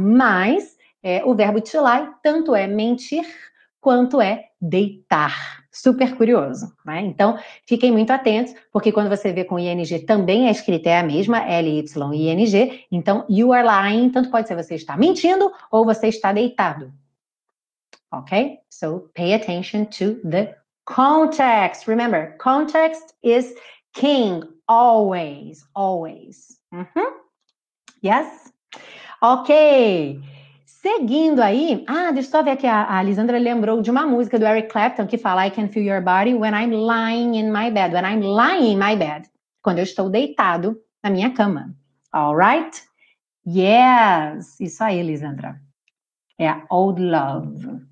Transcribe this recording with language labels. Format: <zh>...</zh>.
<pt>Mas o verbo to lie tanto é mentir quanto é deitar. Super curioso, né? Então, fiquem muito atentos, porque quando você vê com ING, também a escrita é a mesma, LYING. Então,</pt> <en>you are lying,</en> <pt>tanto pode ser você está mentindo ou você está deitado.</pt> <en>Okay, so pay attention to the context. Remember, context is king, always, always. Yes? Okay.</en> <pt>Seguindo aí, deixa eu só ver aqui, a Lisandra lembrou de uma música do Eric Clapton que fala:</pt> <en>I can feel your body when I'm lying in my bed. When I'm lying in my bed.</en> <pt>Quando eu estou deitado na minha cama.</pt> <en>All right? Yes,</en> <pt>isso aí, Lisandra. É a Old Love.</pt>